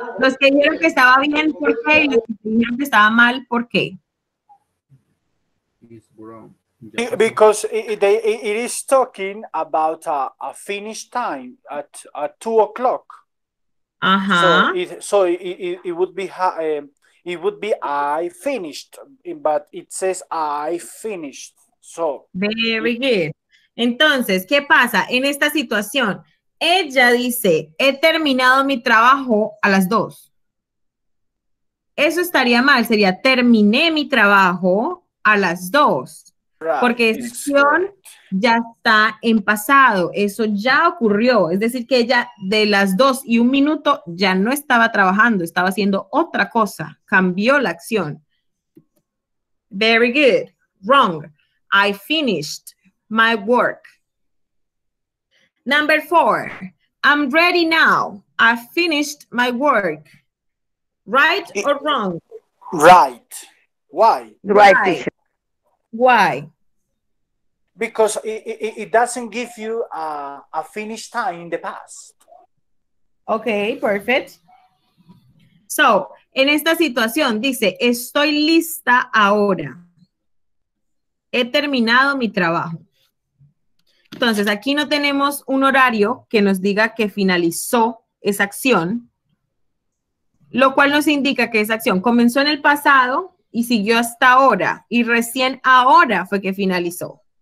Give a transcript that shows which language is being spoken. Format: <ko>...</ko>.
<es>Los que dijeron que estaba bien, ¿por qué? Y los que dijeron que estaba mal, ¿por qué?</es> <en>It's wrong. Because it is talking about a finish time at 2 o'clock. Uh-huh. So it would be I finished, but it says I finished. So very good.</en> <es>Entonces, ¿qué pasa en esta situación? Ella dice, he terminado mi trabajo a las 2. Eso estaría mal, sería terminé mi trabajo a las 2.</es> <en>Right.</en> <es>Porque esa acción ya está en pasado, eso ya ocurrió. Es decir, que ella de las 2:01 ya no estaba trabajando, estaba haciendo otra cosa, cambió la acción.</es> <en>Very good. Wrong. I finished my work. Number 4. I'm ready now. I finished my work. Right or wrong? Right. Why? Right. Why? Because it doesn't give you a finished time in the past. Okay, perfect.</en> <es>So, en esta situación dice, estoy lista ahora. He terminado mi trabajo. Entonces, aquí no tenemos un horario que nos diga que finalizó esa acción, lo cual nos indica que esa acción comenzó en el pasado y siguió hasta ahora, y recién ahora fue que finalizó.</es>